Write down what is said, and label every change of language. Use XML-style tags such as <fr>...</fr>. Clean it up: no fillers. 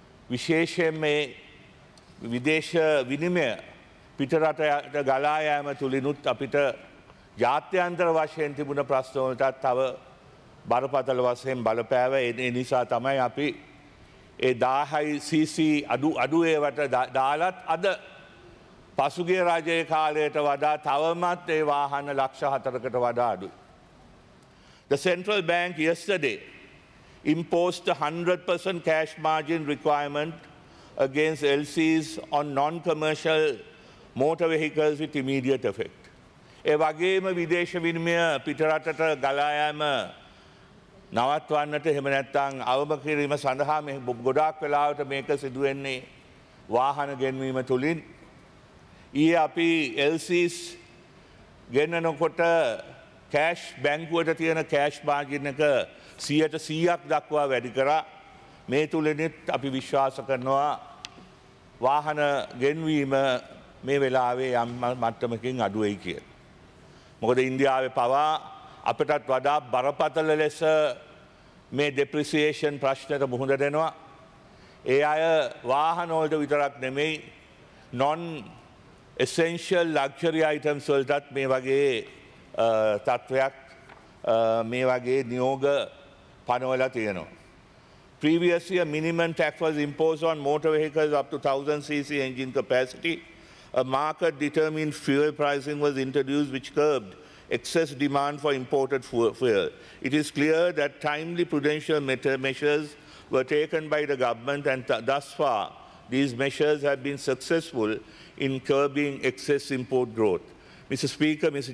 <si>විශේෂයෙන් මේ විදේශ විනිමය පිටරටට ගලා යෑම තුළිනුත් අපිට ජාත්‍යන්තර වශයෙන් තිබුණ ප්‍රශ්නවලටත් තව බරපතල වශයෙන් බලපෑව. ඒ නිසා තමයි අපි ඒ 10 CC අඩු ඒවට දාලත් අද පසුගිය රජයේ කාලයට වඩා තවමත් ඒ වාහන 400,000කට වඩා අඩුයි.</si> <en>The Central Bank yesterday imposed 100% cash margin requirement against LCs on non-commercial motor vehicles with immediate effect.</en> <si>ඒ වගේම විදේශ විනිමය පිටරටට ගලා යෑම නවත්වන්නට එහෙම නැත්තං අවම කිරීම සඳහා ගොඩාක් වෙලාවට මේක සිදුවෙන්නේ වාහන ගෙන්වීම තුළින්. ඊ අපි එල්සිස් ගෙන්නනොකොට කෑෂ් බැංකුවට තියෙන කෑෂ් මාගින්නක 100%ක් දක්වා වැඩි කරා. මේ තුළනිත් අපි විශ්වාස කරනවා වාහන ගෙන්වීම මේ වෙලාවේ යම් මට්ටමකින් අඩුවයි කිය. මොකද ඉන්දියාවේ පවා අපටත් වඩා බරපතල ලෙස මේ ඩෙප්‍රිසියේෂන් ප්‍රශ්නයට මුහුණ දෙනවා. ඒ අය වාහනවලට විතරක් නෙමෙයි නොන් එසෙන්ෂල් ලක්ෂරි අයිටම්ස් වලටත් මේ වගේ තත්ත්වයක් මේ වගේ නියෝග පනවලා තියෙනවා.</si> <en>Previous year, minimum tax was imposed on motor vehicles up to 1,000cc engine capacity. A market-determined fuel pricing was introduced, which curbed excess demand for imported fuel. It is clear that timely prudential measures were taken by the government, and thus far, these measures have been successful in curbing excess import growth. Mr. Speaker, Mr.</en>